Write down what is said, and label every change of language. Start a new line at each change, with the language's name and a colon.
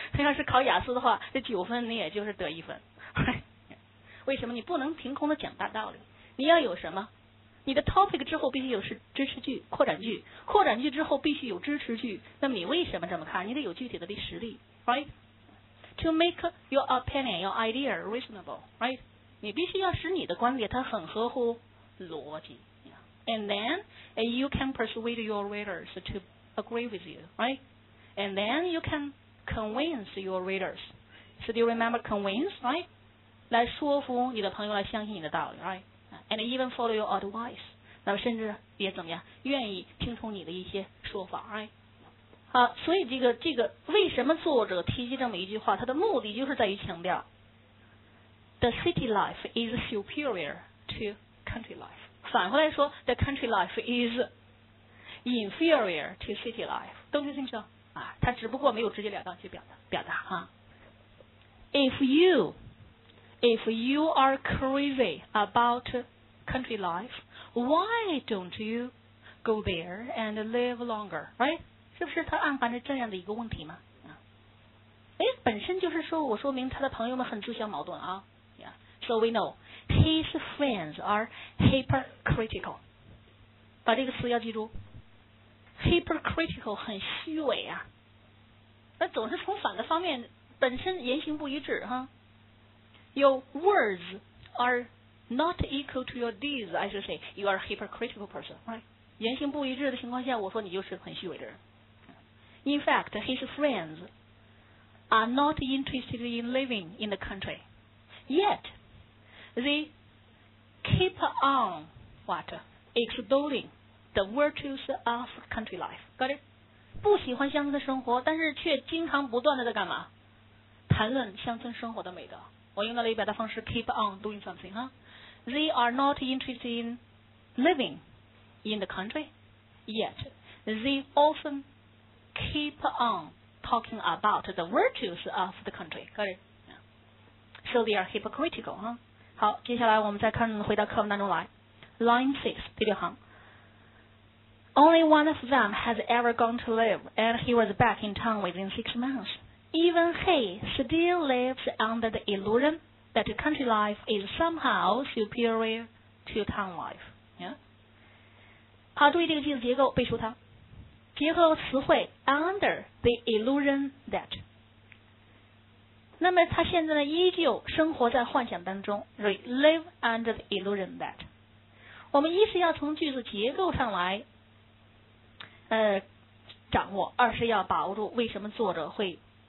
Chinese: Yeah. 要是考雅思的话，这九分你也就是得一分， right? 为什么你不能凭空的讲大道理？你要有什么？你的 topic 之后必须有支持句，扩展句，扩展句之后必须有支持句。那么你为什么这么看？你得有具体的实例， right?
English: To make your opinion, your idea reasonable, right?
Chinese: 你必须要使你的观点它很合乎逻辑。
English: And then you can persuade your readers to agree with you, right? And then you can convince your readers. So do you remember convince, right?
Chinese: 来说服你的朋友来相信你的道理， right?
English: And even follow your advice.
Chinese: 那么甚至也怎么样，愿意听从你的一些说法、right? 啊，所以这个为什么作者提及这么一句话，他的目的就是在于强调
English: The city life is superior to country life.
Chinese: 反过来说
English: The country life is inferior to city life. Don't you think so?
Chinese: 啊，他只不过没有直截了当去表达哈、啊。
English: If you are crazy about country life, why don't you go there and live longer, right?
Chinese: 是不是他暗含着这样的一个问题吗？哎，本身就是说我说明他的朋友们很自相矛盾啊。
English: Yeah. So we know his friends are hypocritical.
Chinese: 把这个词要记住。 Hypocritical 很虚伪啊。那总是从反的方面，本身言行不一致哈。
English: Your words are not equal to your deeds. I should say you are a hypocritical person, right?
Chinese: 言行不一致的情况下，我说你就是很虚伪的人。
English: In fact, his friends are not interested in living in the country. Yet, they keep on what extolling the virtues of country life. Got it?
Chinese: 不喜欢乡村的生活，但是却经常不断的在干嘛？谈论乡村生活的美德。我用到了一表达方式
English: keep on doing something、
Chinese: huh?
English: They are not interested in living in the country yet they often keep on talking about the virtues of the country、yeah. So they are hypocritical、huh?
Chinese: 好，接下来我们再看回到课文当中来
English: Line 6第六行 Only one of them has ever gone to live and he was back in town within 6 months. Even he still lives under the illusion that country life is somehow superior to town life.、Yeah?
Chinese: 好，注意这个句子结构，背熟它。结合词汇
English: under the illusion that.
Chinese: 那么他现在呢，依旧生活在幻想当中 ，
English: live under the illusion that.
Chinese: 我们一是要从句子结构上来，掌握；二是要把握住为什么作者会。